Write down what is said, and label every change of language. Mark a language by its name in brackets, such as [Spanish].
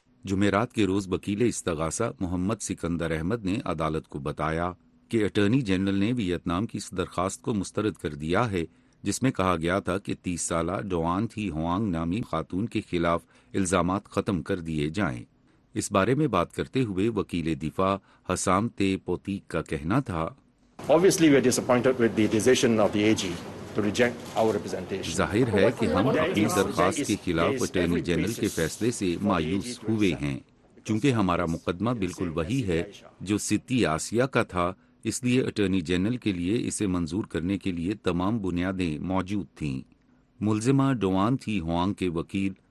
[Urdu] جمعرات کے روز وکیل استغاثہ محمد سکندر احمد نے عدالت کو بتایا کہ اٹرنی جنرل نے ویتنام کی اس درخواست کو مسترد کر دیا ہے جس میں کہا گیا تھا کہ 30 سالہ ڈوان تھی ہوانگ نامی خاتون کے خلاف الزامات ختم کر دیے جائیں. اس بارے میں بات کرتے ہوئے وکیل دفاع حسام تے پوتیک کا کہنا تھا [English] Obviously we are disappointed with the decision of the AG. [Urdu] ظاہر ہے کہ ہم اپنی درخواست کے خلاف اٹرنی جنرل کے فیصلے سے مایوس ہوئے ہیں. چونکہ ہمارا مقدمہ بالکل وہی ہے جو ستی آسیا کا تھا، اس لیے اٹرنی جنرل کے لیے اسے منظور کرنے کے لیے تمام بنیادیں موجود تھیں. ملزمہ ڈوان تھی ہوانگ کے وکیل